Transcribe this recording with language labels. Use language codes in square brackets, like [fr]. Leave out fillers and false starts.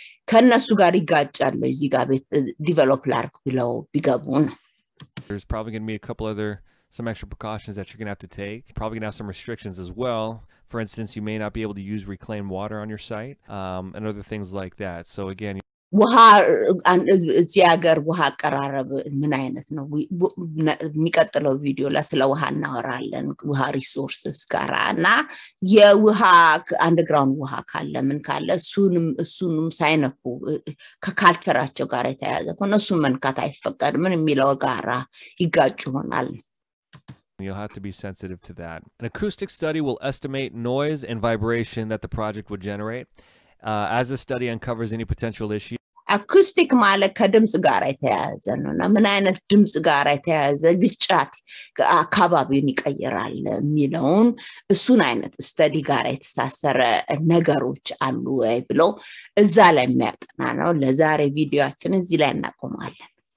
[am] ከነሱ ጋር ይጋጫሉ እዚህ ጋር ዲቨሎፕ ላርክ ብለው ቢገቡ ነው [en] There's probably going to be a couple other some extra precautions that you're going to have to take probably going to have some restrictions as well for instance you may not be able to use reclaimed water on your site and other things like that so again [am] ውሃ እዚህ ሀገር ውሃ አቀራረብ ምን አይነት ነው የሚቀጥለው ቪዲዮ ላይ ስለ ውሃ እናወራለን ውሃ ሪሶርስስ ጋራ እና የውሃ አንደርግራውንድ ውሃ ካለ ምን ካለ እሱንም ሳይነኩ ከካልቸራቸው ጋር የተያያዘ ከሆነ እሱን መንካት አይፈቀድም የሚለው ጋራ ይጋጭ ይሆናል [en] You'll have to be sensitive to that. An acoustic study will estimate noise and vibration that the project would generate. As the study uncovers any potential issues. [am] Acoustic ማለ ከድምጽ ጋር የተያዘ ነው እና ምን አይነት ድምጽ ጋር የተያዘ ግጭት አካባቢውን ይቀይራል የሚለውን እሱን አይነት ስተዲ ጋር የተሳሰረ ነገሮች አሉ ወይ ብሎ እዛ ላይ የሚያጠና ነው ለዛሬ ቪዲዮአችን እዚህ ላይ እናቆማለን።